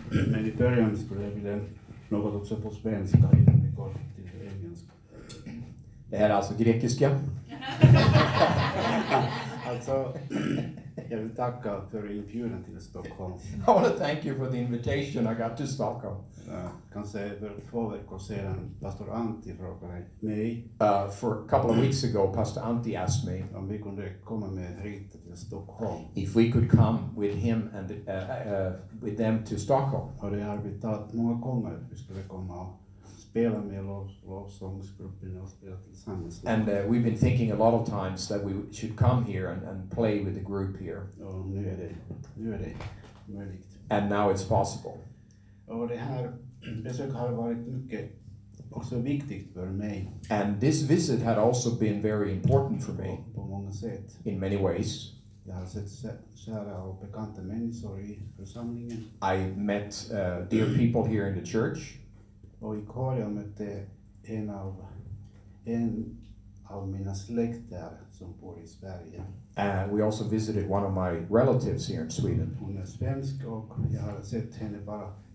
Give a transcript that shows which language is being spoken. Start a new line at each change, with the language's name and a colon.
Swedish: Men i början skulle jag vilja något också på svenska innan vi går till engelska. Det här är alltså grekiska. Alltså, jag vill tacka för inbjudan till Stockholm.
English: I want to thank you for the invitation I got to Stockholm.
Swedish: Kan säga för två veckor sedan, pastor Antti frågade mig.
English: For a couple of weeks ago, pastor Antti asked me.
Swedish: Om vi kunde komma med Rita till Stockholm.
English: If we could come with him and with them to Stockholm.
Swedish: Och det har vi tagit många gånger. Vi skulle komma och spela med lovsångsgruppen och spela tillsammans.
English: And we've been thinking a lot of times that we should come here and play with the group here.
Swedish: Och nu är det möjligt.
English: And now it's possible.
Swedish: Och det här besök har varit mycket också viktigt för mig.
English: And this visit had also been very important for me.
Swedish: På många sätt.
English: In many ways.
Swedish: Jag har sett kära och bekanta människor i församlingen.
English: I met dear people here in the church.
Swedish: Och i Korea mötte en av mina släkter som bor i Sverige.
English: And we also visited one of my relatives here in Sweden.
Swedish: Hon är svensk och jag har sett henne bara.